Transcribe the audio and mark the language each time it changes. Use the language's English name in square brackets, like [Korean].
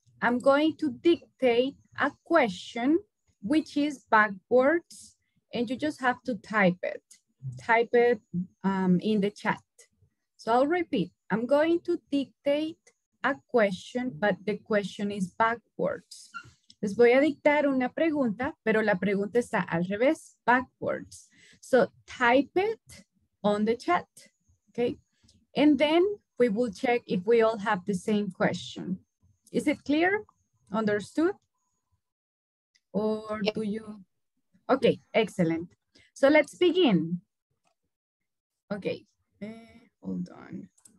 [English] I'm going to dictate a question, which is backwards, and you just have to type it. Type it in the chat. So I'll repeat. I'm going to dictate a question, but the question is backwards. [Spanish] Les voy a dictar una pregunta, pero la pregunta está al revés, backwards. [English] So type it on the chat, okay? And then we will check if we all have the same question. Is it clear? Understood? Or do you? Okay, excellent. So let's begin. Okay, hold on.